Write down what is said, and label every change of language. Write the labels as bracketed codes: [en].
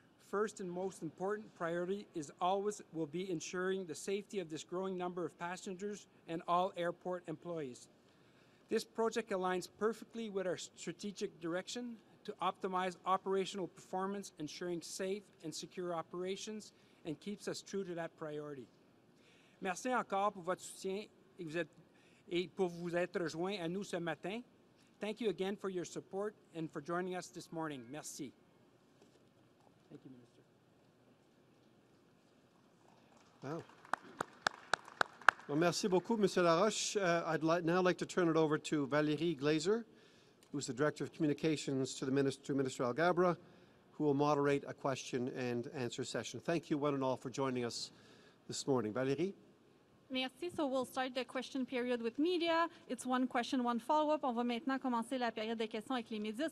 [en] First and most important priority is always will be ensuring the safety of this growing number of passengers and all airport employees. This project aligns perfectly with our strategic direction to optimize operational performance, ensuring safe and secure operations, and keeps us true to that priority. [fr] Merci encore pour votre soutien et pour vous être joint à nous ce matin. [en] Thank you again for your support and for joining us this morning. Merci. Thank you, Minister. Wow. Well, [fr] merci beaucoup, [en] Monsieur Laroche. I'd now like to turn it over to Valérie Glazer, who's the Director of Communications to the Minister, to Minister Alghabra, who will moderate a question and answer session. Thank you one and all for joining us this morning. Valérie? [fr] Merci. [en] So we'll start the question period with media. It's one question, one follow-up. [fr] On va maintenant commencer la période des questions avec les médias.